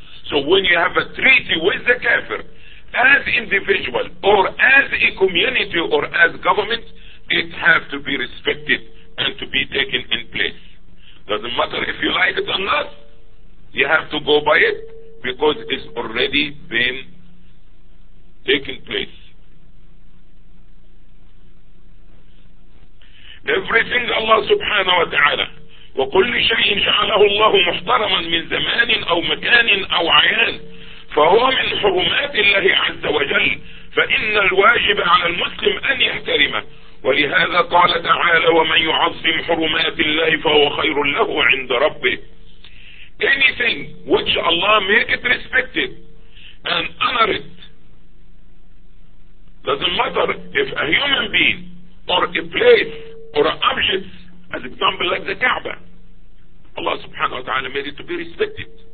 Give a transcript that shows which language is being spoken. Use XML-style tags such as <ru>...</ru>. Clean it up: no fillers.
<en>So when you have a treaty with the kafir, as individual, or as a community, or as government, it has to be respected and to be taken in place. Doesn't matter if you like it or not, you have to go by it, because it's already been taken place. Everything Allah subhanahu wa ta'ala,</en> <ar>وكل شيء جعله الله محترما من زمان أو مكان أو عيان فهو من حرمات الله عز وجل فإن الواجب على المسلم أن يحترمه ولهذا قال تعالى ومن يعظم حرمات الله فهو خير له عند ربه.</ar> <en>Anything which Allah make it respected and honor it, doesn't matter if a human being or a place or an object, as example like the Kaaba, Allah subhanahu wa ta'ala made it to be respected.</en>